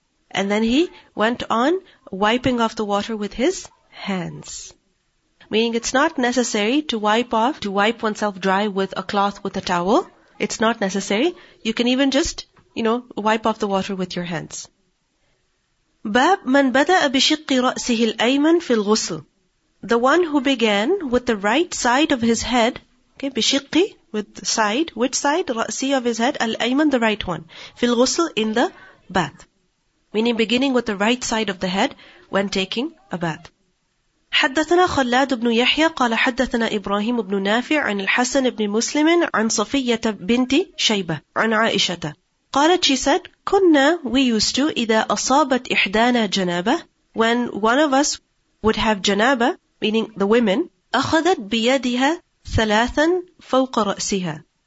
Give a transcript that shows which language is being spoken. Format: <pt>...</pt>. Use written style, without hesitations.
<en>And then he went on wiping off the water with his hands. Meaning it's not necessary to wipe oneself dry with a cloth, with a towel. It's not necessary. You can even just, you know, wipe off the water with your hands.</en> <ar>باب من بدأ بشق رأسه الأيمن في الغسل</ar> <en>The one who began with the right side of his head, okay,</en> <ar>بشقي,</ar> <en>with side, which side?</en> <ar>رأسي</ar> <en>of his head,</en> <ar>الأيمن,</ar> <en>the right one.</en> <ar>في الغسل,</ar> <en>in the bath. Meaning beginning with the right side of the head when taking a bath.</en> <ar>حدثنا خلاد بن يحيى قال حدثنا إبراهيم بن نافع عن الحسن بن مسلم عن صفية بنت شيبة عن عائشة قالت</ar> <en>she said</en> <ar>كنا</ar> <en>we used to</en> <ar>إذا أصابت إحدانا جنابة</ar> <en>when one of us would have جنابة meaning the women</en> <ar>أخذت بيدها ثلاثا فوق رأسها</ar>